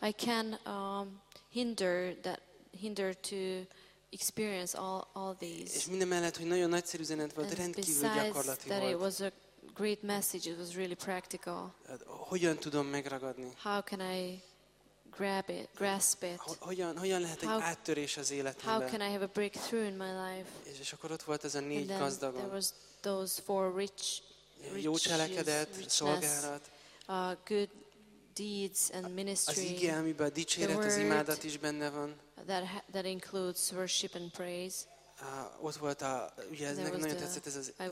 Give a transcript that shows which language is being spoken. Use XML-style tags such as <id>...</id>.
<en>I can hinder to experience all these.</en> <hu>És mindemellett, hogy nagyon nagyszerű üzenet volt, rendkívül gyakorlati volt.</hu> <en>Great message, it was really practical.</en> <hu>Hogyan tudom megragadni?</hu> <en>How can I grab it, grasp it?</en> <hu>Hogyan lehet egy áttörés az életemben?</hu> <en>How can I have a breakthrough in my life?</en> <hu>És akkor ott volt ez a négy gazdagon.</hu> <en>There was those four rich,</en> <hu>jó cselekedet, szolgálat.</hu> <en>Good deeds and ministry.</en> <hu>Az ige, amiben a dicséret, az imádat is benne van.</hu> <en>That includes worship and praise.</en> <hu>Ott volt a, ugye ez nagyon tetszett ez az.</hu>